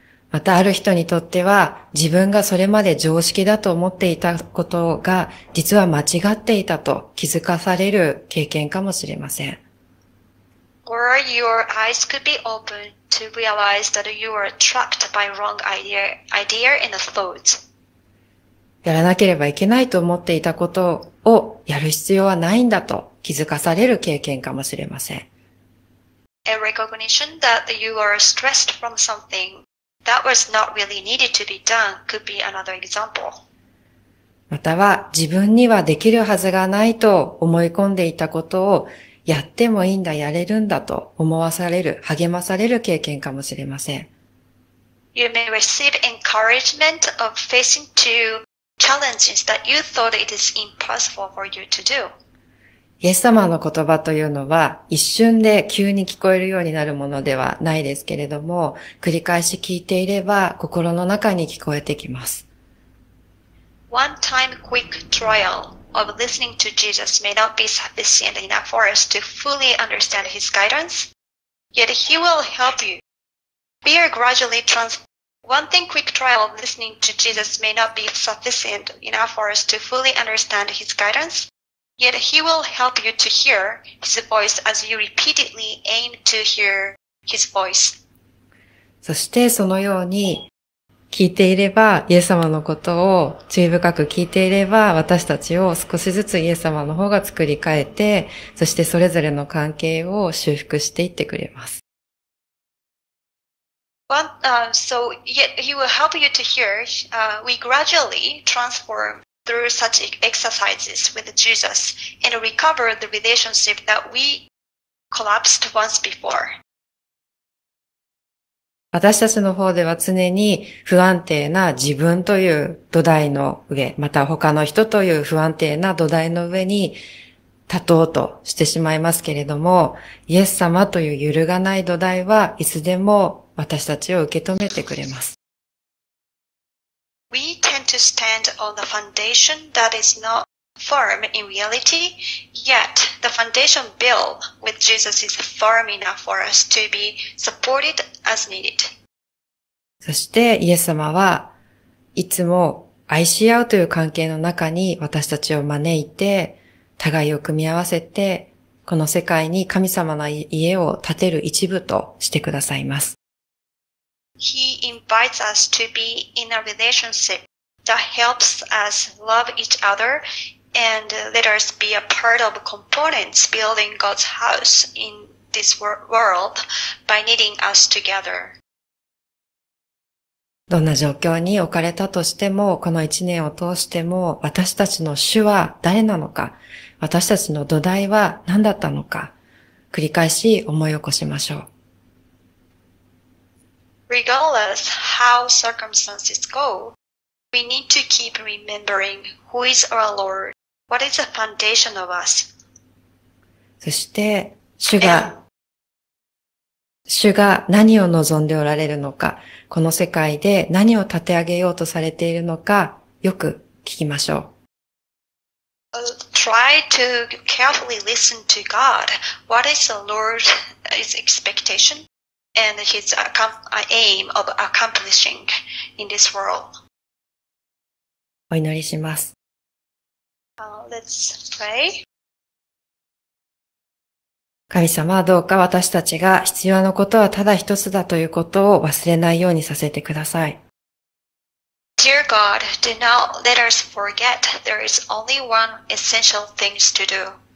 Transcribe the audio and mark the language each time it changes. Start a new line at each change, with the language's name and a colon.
Japanese: また、ある人にとっては、自分がそれまで常識だと思っていたことが、実は間違っていたと気づかされる経験かもしれません。
English: Or your eyes could be opened to realize that you are trapped by wrong idea and thoughts.
Japanese: やらなければいけないと思っていたことをやる必要はないんだと気づかされる経験かもしれません。
English: A recognition that you are stressed from something that was not really needed to be done could be another example.
Japanese: または自分にはできるはずがないと思い込んでいたことをやってもいいんだ、やれるんだと思わされる、励まされる経験かもしれません。
English: You may receive encouragement of facing two challenges that you thought it is impossible for you to do.
Japanese: イエス様の言葉というのは、一瞬で急に聞こえるようになるものではないですけれども、繰り返し聞いていれば心の中に聞こえてきます。
English: One time quick trial. Of listening to Jesus may not be sufficient enough for us to fully understand His guidance, yet He will help you. We are gradually transformed. One thing quick trial of listening to Jesus may not be sufficient enough for us to fully understand His guidance, yet He will help you to hear His voice as you repeatedly aim to hear His voice.
Japanese: そしてそのように聞いていれば、イエス様のことを注意深く聞いていれば、私たちを少しずつイエス様の方が作り変えて、そしてそれぞれの関係を修復していってくれます。
English: So, yet he will help you to hear, we gradually transform through such exercises with Jesus and recover the relationship that we collapsed once before.
Japanese: 私たちの方では常に不安定な自分という土台の上、また他の人という不安定な土台の上に立とうとしてしまいますけれども、イエス様という揺るがない土台はいつでも私たちを受け止めてくれます。
English: We tend to stand on the foundation that is not firm in reality, yet the foundation built with Jesus is firm enough for us to be supported. As needed.
Japanese: そしてイエス様はいつも愛し合うという関係の中に私たちを招いて互いを組み合わせてこの世界に神様の家を建てる一部としてくださいます。
English: He invites us to be in a relationship that helps us love each other and let us be a part of components building God's house inThis world by knitting us together.
Japanese: どんな状況に置かれたとしても、この一年を通しても、私たちの主は誰なのか、私たちの土台は何だったのか、繰り返し思い起こしましょう。
English: Regardless how circumstances go, we need to keep remembering who is our Lord, what is the foundation of us.
Japanese: そして、主が何を望んでおられるのか、この世界で何を立て上げようとされているのか、よく聞きましょう。
English: Try to carefully listen to God. What is the Lord's expectation and his aim of accomplishing in this world?
Japanese: お祈りします。
English: Let's pray.
Japanese: 神様、どうか私たちが必要なことはただ一つだということを忘れないようにさせてください。
English: Dear God, do not let us forget there is only one essential thing to do.